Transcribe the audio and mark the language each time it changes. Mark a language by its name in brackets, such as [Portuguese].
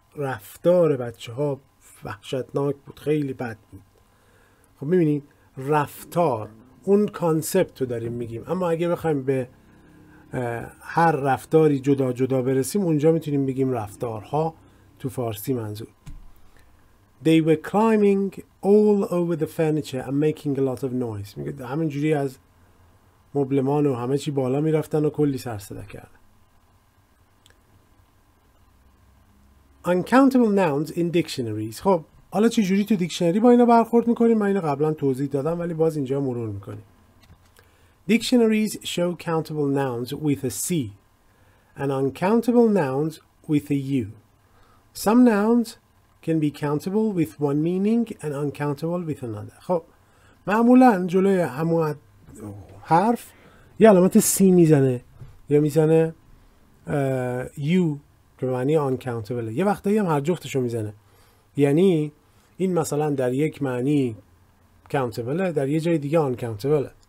[Persian] رفتار بچه ها وحشتناک بود، خیلی بد بود. خب میبینید رفتار، اون کانسپت رو داریم میگیم، اما اگه بخوایم به هر رفتاری جدا جدا برسیم، اونجا میتونیم بگیم رفتارها تو فارسی منظور. [English] They were climbing all over the furniture and making a lot of noise. [Persian] میگه همینجوری از مبلمان و همه چی بالا میرفتن و کلی سر صدا کردن. [English] Uncountable nouns in dictionaries. [Persian] خب حالا چه جوری تو دیکشنری با اینا برخورد میکنیم؟ من اینو قبلا توضیح دادم ولی باز اینجا مرور میکنیم. [English] Dictionaries show countable nouns with a C and uncountable nouns with a U. Some nouns can be countable with one meaning and uncountable with another. [Persian] خب معمولا جلوی همو حرف یا علامت C میزنه یا میزنه U که معنی uncountable، یه وقتایی هم هر جفتشو میزنه، یعنی این مثلا در یک معنی countable، در یه جای دیگه uncountable.